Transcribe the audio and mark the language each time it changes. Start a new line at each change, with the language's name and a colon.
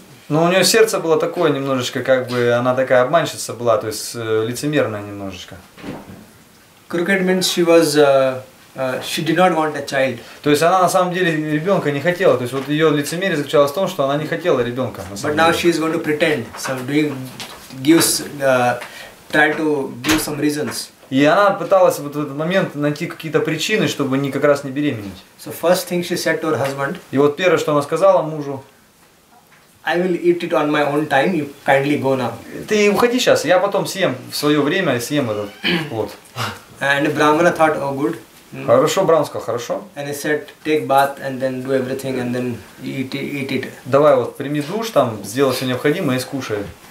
Russian: Но у нее сердце было такое немножечко, как бы она такая обманщица была, то есть лицемерная немножечко.
English: Crooked means she was she did not want a child.
Russian: То есть она на самом деле ребенка не хотела. То есть вот ее лицемерие заключалось в том, что она не хотела ребенка.
English: But now she is going to pretend, so doing, gives, try to give some reasons.
Russian: И она пыталась вот в этот момент найти какие-то причины, чтобы не как раз не беременеть.
English: So first thing she said to her husband.
Russian: И вот первое, что она сказала мужу.
English: I will eat it on my own time. You kindly go now.
Russian: Ты уходи сейчас, я потом съем в свое время и съем этот плод.
English: And Brahmana thought, oh good.
Russian: Хорошо, Брахман сказал, хорошо.
English: And he said, take bath and then do everything and then eat it.
Russian: Давай вот прими душ там, сделай все необходимое и скушай.